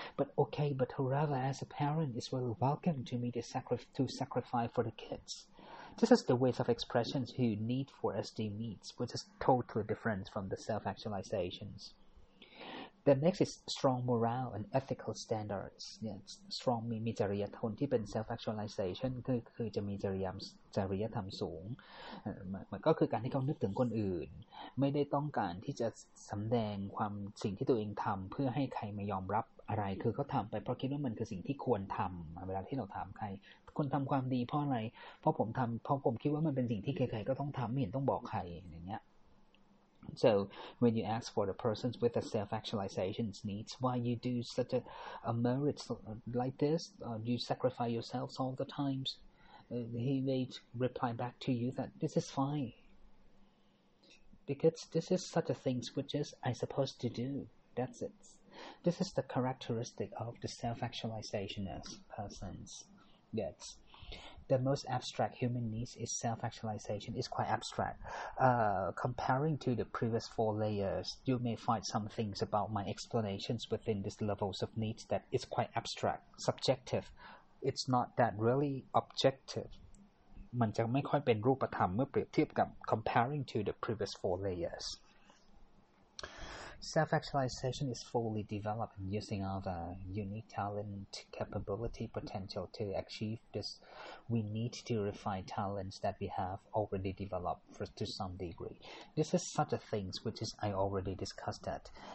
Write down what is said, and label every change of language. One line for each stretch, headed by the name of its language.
English: But okay, but whoever as a parent is really welcome to me to sacrifice for the kids. This is the ways of expressions who need for SD needs, which is totally different from the self-actualizations. The next is strong morale and ethical standards. Yeah, strong
Thai: มีจริยธรรมที่เป็น self-actualization คือจะมีจริยธรรมสูงมันก็คือการที่เขานึกถึงคนอื่นไม่ได้ต้องการที่จะสำแดงความสิ่งที่ตัวเองทำเพื่อให้ใครมายอมรับอะไรคือเขาทำไปเพราะคิดว่ามันคือสิ่งที่ควรทำเวลาที่เราถามใคร คนทำความดีเพราะอะไรเพราะผมทำเพราะผมคิดว่ามันเป็นสิ่งที่ใครๆก็ต้องทำไม่เห็นต้องบอกใครอย่างเงี้ย
English: So when you ask for the persons with the self-actualization needs, why you do such a merit like this, you sacrifice yourselves all the times, he may reply back to you that this is fine. Because this is such a thing which is I supposed to do. That's it. This is the characteristic of the self-actualization as persons. Yes. The most abstract human needs is self-actualization. It's quite abstract. Comparing to the previous four layers, you may find some things about my explanations within these levels of needs that is quite abstract, subjective. It's not that really objective.
Thai: มันจะไม่ค่อยเป็นรูปธรรมเมื่อเปรียบเทียบกับ
English: comparing to the previous four layers. Self-actualization is fully developed using our unique talent, capability, potential to achieve this. We need to refine talents that we have already developed to some degree. This is such a thing which is I already discussed that.